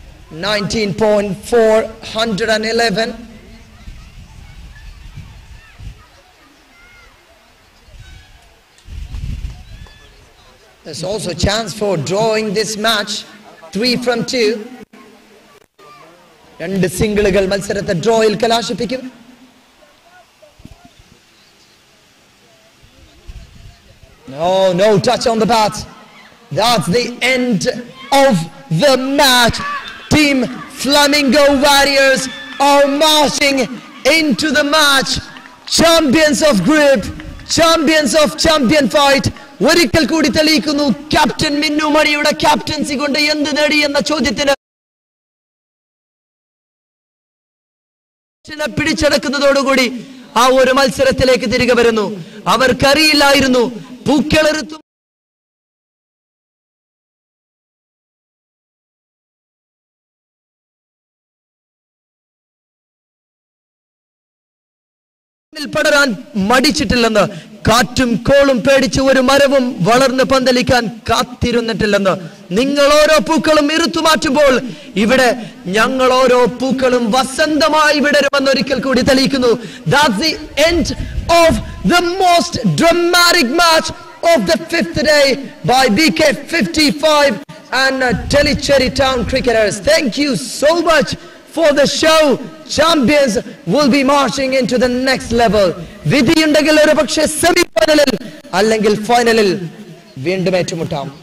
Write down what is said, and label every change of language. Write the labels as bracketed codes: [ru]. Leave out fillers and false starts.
[en] 19.411. There's also a chance for drawing this match. 3-2. [ml] രണ്ട് സിംഗിളുകൾ മത്സരത്തെ ഡ്രോയിൽ കലാശിപ്പിക്കും. [en] No, no touch on the bat. That's the end of the match. Team Flamingo Warriors are marching into the match. Champions of group, champions of champion fight. [ml] ഒരിക്കൽ കൂടി തെളിയിക്കുന്നു captain മിന്നുമണിയുടെ captaincy കൊണ്ട് എന്ത് നേടി എന്ന ചോദ്യത്തിന് പിടിച്ചെടുക്കുന്നതോടുകൂടി ആ ഒരു മത്സരത്തിലേക്ക് തിരികെ വരുന്നു. അവർക്കറിയില്ലായിരുന്നു പൂക്കളെറുത്തു പടരാൻ മടിച്ചിട്ടില്ലെന്ന്, കാറ്റും കോളും പേടിച്ച് ഒരു മരവും വളർന്ന് പന്തലിക്കാൻ കാത്തിരുന്നിട്ടില്ലെന്ന്. നിങ്ങൾ ഓരോ പൂക്കളും ഇറുത്തുമാറ്റുമ്പോൾ ഇവിടെ ഞങ്ങൾ ഓരോ പൂക്കളും വസന്തമായി വിടരുമെന്ന് ഒരിക്കൽ കൂടി തെളിയിക്കുന്നു. [en] That's the end of the most dramatic match of the fifth day by BK55 and Thalassery Town Cricketers. Thank you so much for the show. Champions will be marching into the next level. [ml] വിധി ഉണ്ടെങ്കിൽ ഒരു പക്ഷേ semi ഫൈനലിൽ അല്ലെങ്കിൽ ഫൈനലിൽ വീണ്ടും ഏറ്റുമുട്ടാം.